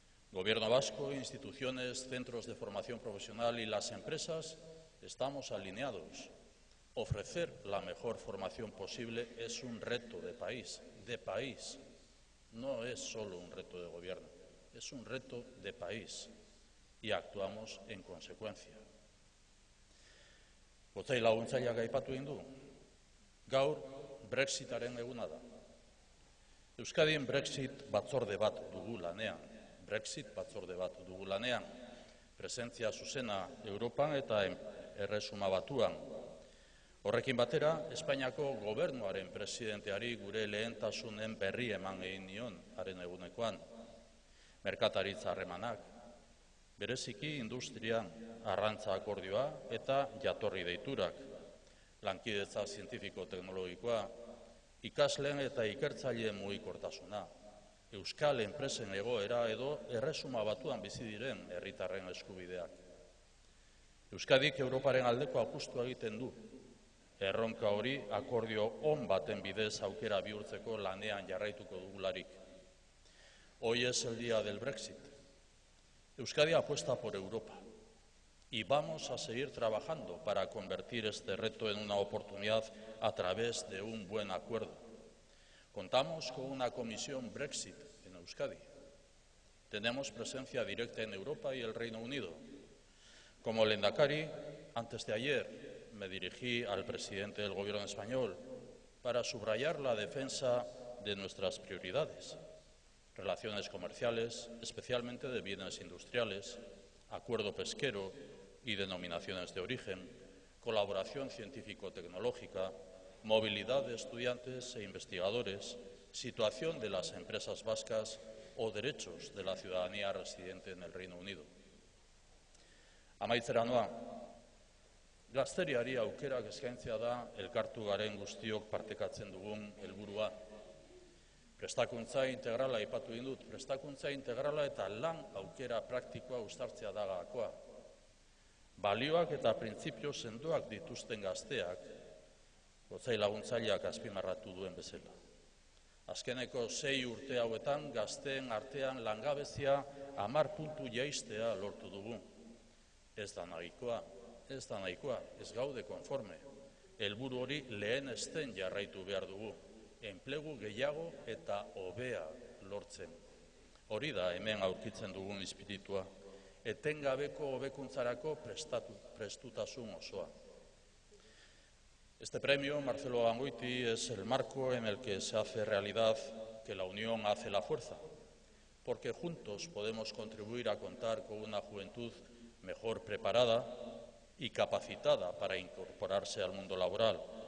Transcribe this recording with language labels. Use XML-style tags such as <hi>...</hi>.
<es>Gobierno vasco, instituciones, centros de formación profesional y las empresas estamos alineados. Ofrecer la mejor formación posible es un reto de país, de país. No es solo un reto de gobierno, es un reto de país y actuamos en consecuencia.</es> <eu>Gotzai laguntzaileak aipatu egin du, gaur Brexitaren eguna da. Euskadin Brexit batzorde bat dugu lanean, presentzia zuzena Europan eta Erresuma Batuan. Horrekin batera, Espainiako gobernuaren presidenteari gure lehentasunen berri eman egin nion haren egunekoan. Merkataritza harremanak, bereziki industrian, arrantza akordioa eta jatorri deiturak, lankidetza zientifiko-teknologikoa, ikasleen eta ikertzaileen mugikortasuna, euskal enpresen egoera edo Erresuma Batuan bizi diren herritarren eskubideak. Euskadik Europaren aldeko apustu egiten du, erronka hori akordio on baten bidez aukera bihurtzeko lanean jarraituko dugularik.</eu> <es>Hoy es el día del Brexit. Euskadi apuesta por Europa y vamos a seguir trabajando para convertir este reto en una oportunidad a través de un buen acuerdo. Contamos con una comisión Brexit en Euskadi. Tenemos presencia directa en Europa y el Reino Unido. Como lehendakari, antes de ayer me dirigí al presidente del Gobierno español para subrayar la defensa de nuestras prioridades. Relaciones comerciales, especialmente de bienes industriales, acuerdo pesquero y denominaciones de origen, colaboración científico-tecnológica, movilidad de estudiantes e investigadores, situación de las empresas vascas o derechos de la ciudadanía residente en el Reino Unido.</es> <eu>Amaitzera noa, gazteriari aukerak eskaintzea da elkartu garen guztiok partekatzen dugun helburua. Prestakuntza integrala aipatu egin dut, prestakuntza integrala eta lan aukera praktikoa uztartzea da gakoa. Balioak eta printzipio sendoak dituzten gazteak, Gotzai laguntzaileak azpimarratu duen bezala. Azkeneko sei urte hauetan gazteen artean langabezia 10 puntu jaistea lortu dugu. Ez da nahikoa, ez gaude konforme. Helburu hori lehenesten jarraitu behar dugu. Enplegu gehiago eta hobea lortzen. Hori da hemen aurkitzen dugun espiritua, etengabeko hobekuntzarako prestutasun osoa.</eu> <es>Este premio, Marcelo Gangoiti, es el marco en el que se hace realidad que la unión hace la fuerza, porque juntos podemos contribuir a contar con una juventud mejor preparada y capacitada para incorporarse al mundo laboral.</es>